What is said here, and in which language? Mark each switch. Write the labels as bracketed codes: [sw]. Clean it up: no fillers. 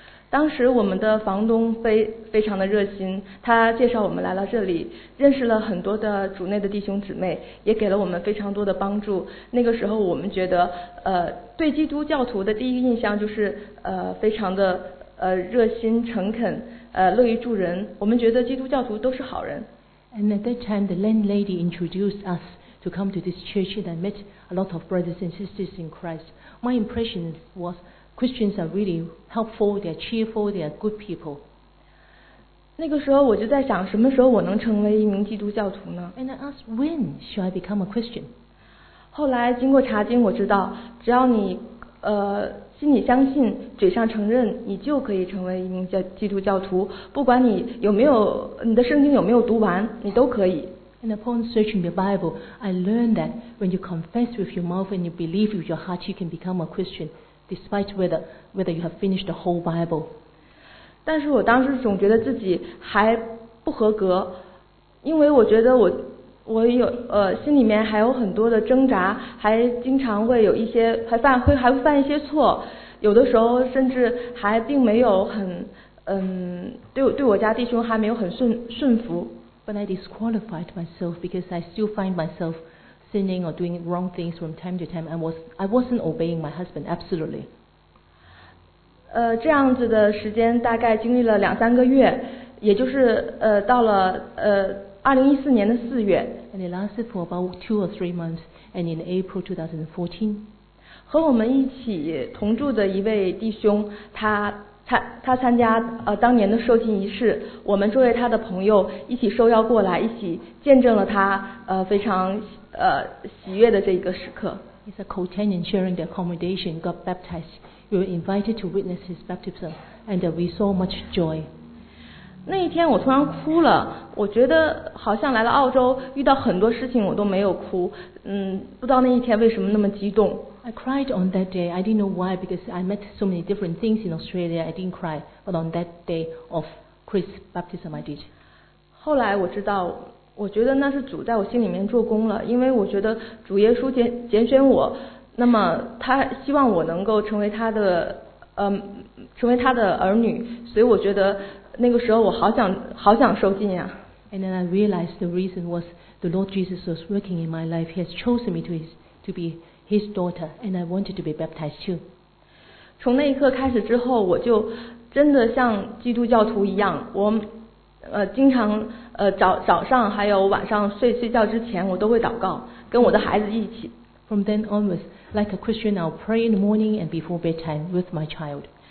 [zh] 当时我们的房东非常的热心，他介绍我们来了这里，认识了很多的主内的弟兄姊妹，也给了我们非常多的帮助。那个时候我们觉得，对基督教徒的第一个印象就是，非常的热心诚恳，乐于助人。我们觉得基督教徒都是好人。 [en] And at that time, the landlady introduced us. To come to this church and I met a lot of brothers and sisters in Christ. My impression was Christians are really helpful, they are cheerful, they are good people. [zh] 那个时候我就在想，什么时候我能成为一名基督教徒呢？ [en] And I asked, when should I become a Christian? [zh] 后来经过查经，我知道只要你心里相信，嘴上承认，你就可以成为一名基督教徒。不管你有没有你的圣经有没有读完，你都可以。 [en] And upon searching the Bible, I learned that when you confess with your mouth and you believe with your heart, you can become a Christian, despite whether you have finished the whole Bible. [zh] 但是我当时总觉得自己还不合格，因为我觉得我有心里面还有很多的挣扎，还经常会有一些还会犯一些错，有的时候甚至还并没有很对我家弟兄还没有很顺服。 [en] But I disqualified myself because I still find myself sinning or doing wrong things from time to time. I wasn't obeying my husband absolutely. [zh] 这样子的时间大概经历了两三个月，也就是到了2014年的四月。 [en] And it lasted for about 2 or 3 months. And in April 2014, [zh] 和我们一起同住的一位弟兄，他参加当年的受浸仪式，我们作为他的朋友一起受邀过来，一起见证了他非常喜悦的这一个时刻。 [en] He's a co-tenant sharing the accommodation, got baptized. We were invited to witness his baptism, and we saw much joy. [zh] 那一天我突然哭了，我觉得好像来了澳洲，遇到很多事情我都没有哭，不知道那一天为什么那么激动。 [en] I cried on that day. I didn't know why because I met so many different things in Australia. I didn't cry, but on that day of Chris' baptism, I did. [zh] 后来我知道，我觉得那是主在我心里面做工了，因为我觉得主耶稣拣选我，那么他希望我能够成为他的儿女，所以我觉得那个时候我好想受浸呀。 [en] And then I realized the reason was the Lord Jesus was working in my life. He has chosen me to be His daughter, and I wanted to be baptized too. [zh] 从那一刻开始之后，我就真的像基督教徒一样，我经常早上还有晚上睡觉之前，我都会祷告，跟我的孩子一起。 [en] From then onwards, like a Christian, I'll pray in the morning and before bedtime with my child.